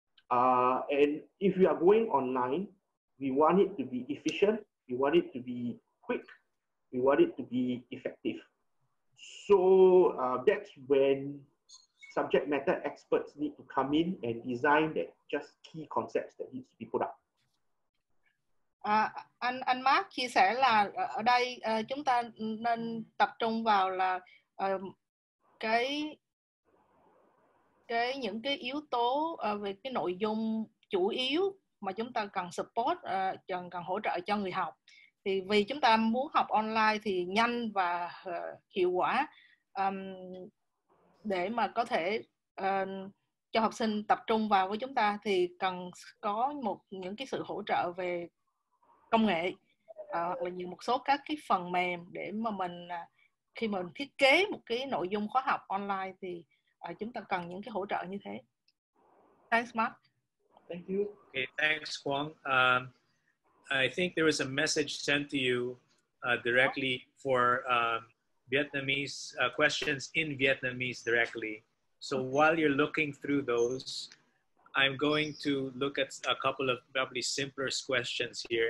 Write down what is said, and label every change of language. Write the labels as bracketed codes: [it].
[en] And if you are going online, we want it to be efficient, we want it to be quick, we want it to be effective. So that's when subject matter experts need to come in and design that just key concepts that needs to be put up. [vi] Anh Mark chia sẻ là ở đây chúng ta nên tập trung vào là cái những cái yếu tố về cái nội dung chủ yếu mà chúng ta cần support, cần hỗ trợ cho người học. Thì vì chúng ta muốn học online thì nhanh và hiệu quả để mà có thể cho học sinh tập trung vào với chúng ta thì cần có một những cái sự hỗ trợ về công nghệ hoặc là nhiều một số các cái phần mềm để mà mình khi mà mình thiết kế một cái nội dung khóa học online thì chúng ta cần những cái hỗ trợ như thế. [en] Thanks Mark. Thank you. Okay, thanks Quang. I think there was a message sent to you directly for Vietnamese questions in Vietnamese directly. So while you're looking through those, I'm going to look at a couple of probably simpler questions here.